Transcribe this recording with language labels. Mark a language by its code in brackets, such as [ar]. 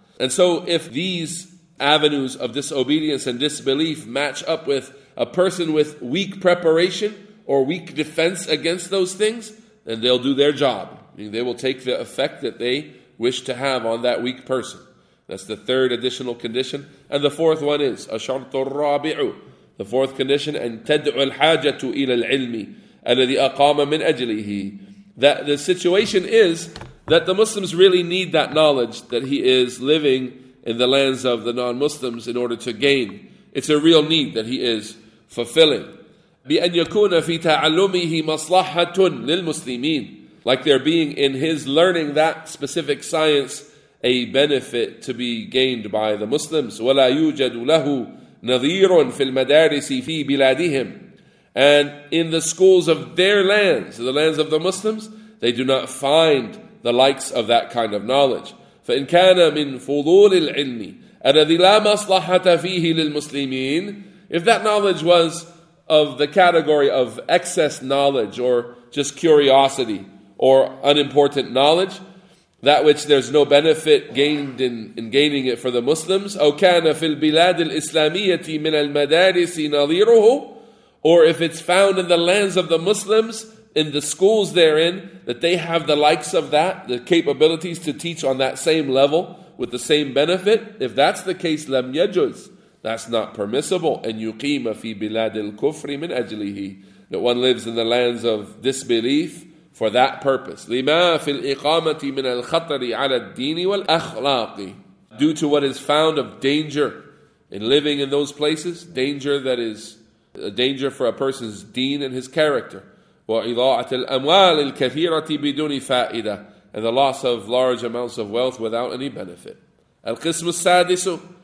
[en] And so if these avenues of disobedience and disbelief match up with a person with weak preparation or weak defense against those things, then they'll do their job. I mean, they will take the effect that they wish to have on that weak person. That's the third additional condition. And the fourth one is, [ar] الشرط الرابع, [en] the fourth condition, and [ar] تدعو الحاجة إلى العلم الذي أقام من أجله. [en] That the situation is that the Muslims really need that knowledge that he is living in the lands of the non-Muslims in order to gain. It's a real need that he is fulfilling. [ar] بأن يكون في تعلمه مصلحة للمسلمين. [en] Like there being in his learning that specific science a benefit to be gained by the Muslims. [ar] ولا يوجد له نظير في المدارس في بلادهم. [en] And in the schools of their lands, the lands of the Muslims, they do not find the likes of that kind of knowledge. [ar] فإن كان من فضول العلم الذي لا مصلحة فيه للمسلمين. [en] If that knowledge was of the category of excess knowledge or just curiosity or unimportant knowledge, that which there's no benefit gained in gaining it for the Muslims. [ar] أو كان في البلاد الإسلامية من المدارس نظيره. [en] Or if it's found in the lands of the Muslims, in the schools therein, that they have the likes of that, the capabilities to teach on that same level, with the same benefit. If that's the case, [ar] لم يجوز. [en] That's not permissible. [ar] أن يقيم في بلاد الكفر من أجله. [en] That one lives in the lands of disbelief for that purpose. [ar] لما في الإقامة من الخطر على الدين والأخلاق. [en] Due to what is found of danger in living in those places, danger that is a danger for a person's deen and his character. [ar] وَإِضَاعَةِ الْأَمْوَالِ الْكَثِيرَةِ بِدُونِ فَائِدَةٍ. [en] And the loss of large amounts of wealth without any benefit. [ar] الْقِسْمُ السَّادِسُ.